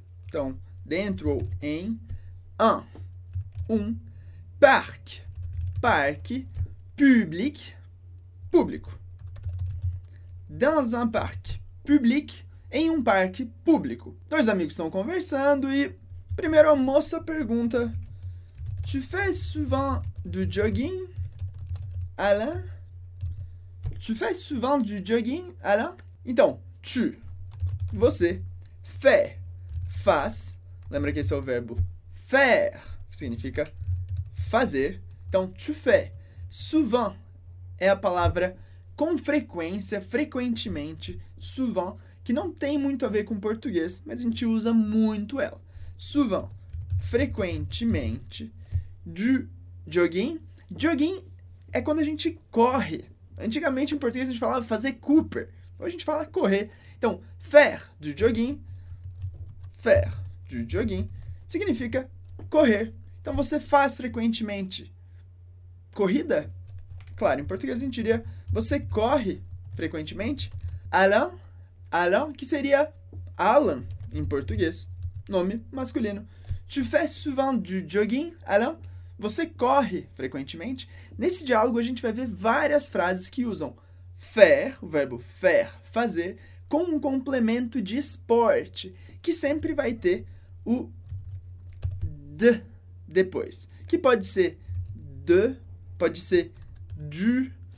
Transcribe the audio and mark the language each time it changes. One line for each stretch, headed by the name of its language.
Portuguese: Então, dentro ou em. Um. Parc. Parque. Public. Público.
French: Dans un parc public,
Portuguese: em um parque público. Dois amigos estão conversando e primeiro a moça pergunta:
French: Tu fais souvent du jogging, Alain? Tu fais souvent du jogging, Alain?
Portuguese: Então, tu, você, fait, faz. Lembra que esse é o verbo faire, que significa fazer. Então,
French: tu fais souvent
Portuguese: é a palavra com frequência, frequentemente, souvent, que não tem muito a ver com português, mas a gente usa muito ela.
French: Souvent, frequentemente, du jogging.
Portuguese: Jogging é quando a gente corre. Antigamente, em português, a gente falava fazer Cooper. Hoje a gente fala correr. Então,
French: faire du jogging,
Portuguese: significa correr. Então, você faz frequentemente corrida? Claro, em português a gente diria você corre frequentemente. Alain, que seria Alan em português, nome masculino.
French: Tu fais souvent du jogging, Alain?
Portuguese: Você corre frequentemente. Nesse diálogo a gente vai ver várias frases que usam faire, o verbo faire, fazer, com um complemento de esporte, que sempre vai ter o de depois, que pode ser de, pode ser du.